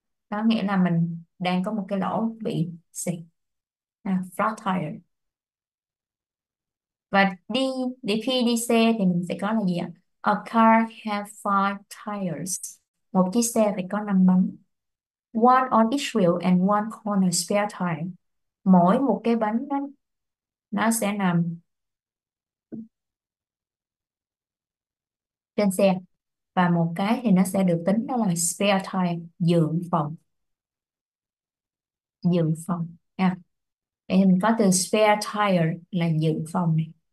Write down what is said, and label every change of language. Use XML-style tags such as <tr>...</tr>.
<vi>Có nghĩa là mình đang có một cái lỗ bị xì. À, flat tire. Và đi để khi đi xe thì mình sẽ có là gì ạ? A car have five tires. Một chiếc xe phải có 5 bánh.</vi> <en>One on each wheel and one corner spare tire.</en> <vi>Mỗi một cái bánh đó, nó sẽ nằm trên xe. Và một cái thì nó sẽ được tính đó là spare tire, dự phòng. Dự phòng. Nha. Vậy mình có từ spare tire là dự phòng này.</vi>